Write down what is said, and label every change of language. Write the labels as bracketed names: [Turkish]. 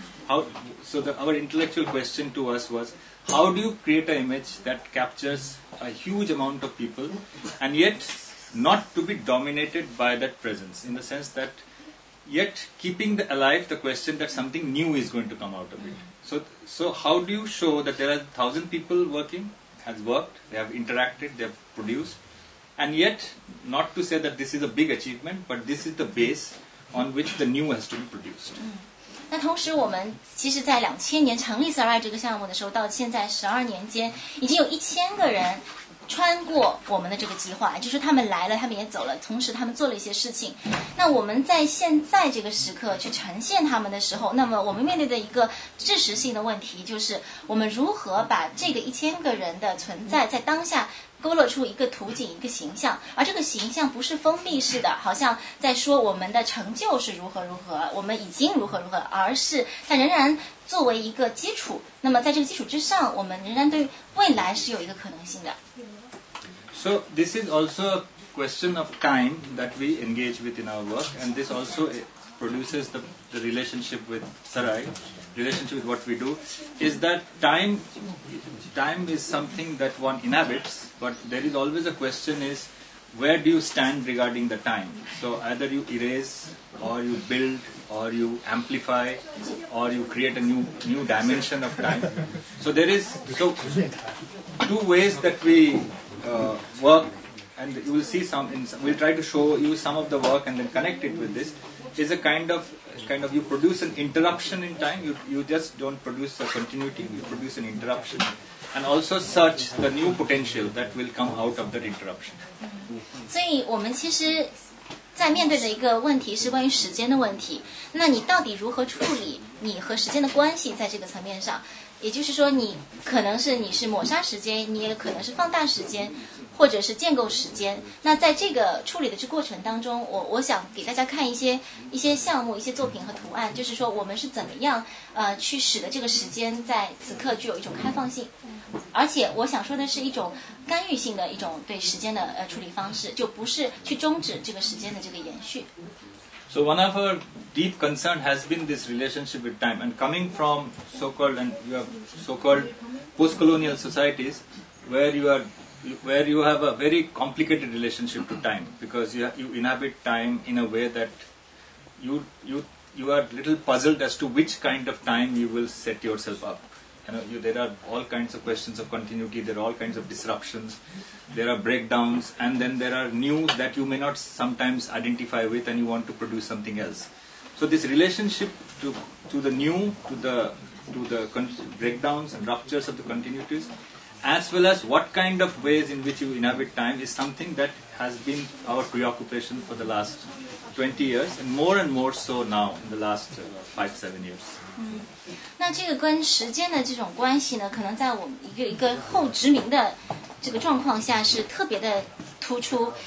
[English] Our intellectual question to us was, how do you create an image that captures a huge amount of people and yet not to be dominated by that presence, in the sense that yet keeping alive the question that something new is going to come out of it. So how do you show that there are 1,000 people working, has worked, they have interacted, they have produced, and yet not to say that this is a big achievement, but this is the base on which the new has to be produced. [Chinese] 那同时我们其实在2000年成立 Sarai 这个项目的时候到现在12年间已经有1000个人穿过我们的这个计划，就是他们来了他们也走了，同时他们做了一些事情。那我们在现在这个时刻去呈现他们的时候，那么我们面对的一个知识性的问题就是我们如何把这个1000个人的存在在当下勾勒出一个图景，一个形象，而这个形象不是封闭式的，好像在说我们的成就是如何如何，我们已经如何如何，而是它仍然作为一个基础，那么在这个基础之上，我们仍然对未来是有一个可能性的。 [English] So this is also a question of time that we engage with in our work, and this also produces the relationship with Sarai, relationship with what we do, is that time is something that one inhabits, but there is always a question is, where do you stand regarding the time? So either you erase, or you build, or you amplify, or you create a new dimension of time. So there is, so two ways that we work, and you will see some, we'll try to show you some of the work and then connect it with this, is a kind of you produce an interruption in time, you just don't produce a continuity, you produce an interruption, and also search the new potential that will come out of that interruption. [Chinese] 所以我们其实在面对的一个问题是关于时间的问题，那你到底如何处理你和时间的关系在这个层面上，也就是说你可能是你是抹杀时间，你也可能是放大时间，或者是建构时间。那在这个处理的这过程当中，我想给大家看一些项目、一些作品和图案，就是说我们是怎么样去使得这个时间在此刻具有一种开放性，而且我想说的是一种干预性的一种对时间的处理方式，就不是去终止这个时间的这个延续。 [English] So one of our deep concern has been this relationship with time, and coming from so-called and you have so-called post-colonial societies where you are where you have a very complicated relationship to time, because you inhabit time in a way that you are a little puzzled as to which kind of time you will set yourself up. You know, there are all kinds of questions of continuity, there are all kinds of disruptions, there are breakdowns, and then there are new that you may not sometimes identify with and you want to produce something else. So this relationship to the new, to the breakdowns and ruptures of the continuities, as well as what kind of ways in which you inhabit time, is something that has been our preoccupation for the last 20 years, and more so now in the last 5-7 years. [Chinese] 那这个跟时间的这种关系呢，可能在我们一个后殖民的这个状况下是特别的突出。